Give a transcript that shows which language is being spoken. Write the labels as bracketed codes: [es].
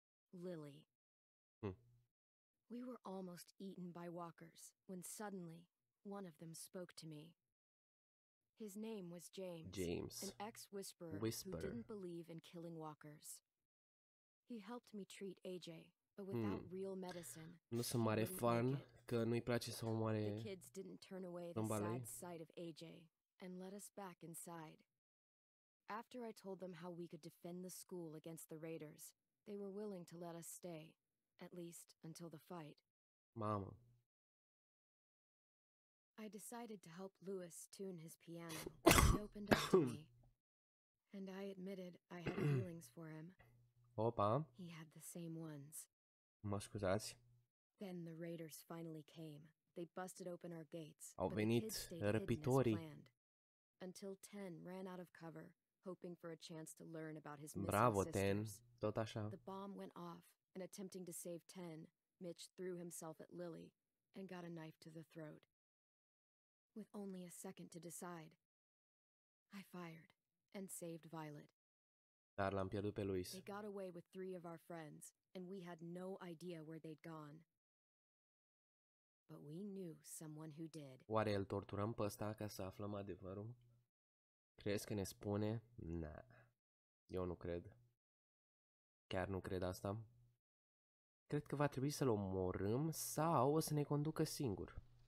[en] Lily. We were almost eaten by walkers when suddenly one of them spoke to me. His name was James. James. An ex-whisperer who didn't believe in killing walkers. He helped me treat AJ, but without real medicine. [ro] Nu sunt mare fan că nu-i place să omoare. [en] The kids didn't turn away the sad sight of AJ and let us back inside. After I told them how we could defend the school against the raiders, they were willing to let us stay, at least until the fight. [ro] Mama. [en] I decided to help Lewis tune his piano. He opened up to me, and I admitted I had feelings for him. [ro] Opa. [en] He had the same ones. [ro] Mă scuzați. [en] Then the raiders finally came. They busted open our gates. [ro] Au venit răpitorii. [en] Until Ten ran out of cover. Hoping for a chance to learn about his [ro] Bravo, [en] missing sisters. [ro] Ten. Tot așa. [en] The bomb went off, and attempting to save Ten, Mitch threw himself at Lily and got a knife to the throat. With only a second to decide, I fired and saved Violet. [ro] Dar l-am pierdut pe Luis. [en] They got away with three of our friends, and we had no idea where they'd gone. But we knew someone who did. [ro] Oare îl torturăm pe ăsta ca să aflăm adevărul? Crezi că ne spune? Nah. Eu nu cred. Chiar nu cred asta. Cred că va trebui să-l omorâm sau o să ne conducă singur.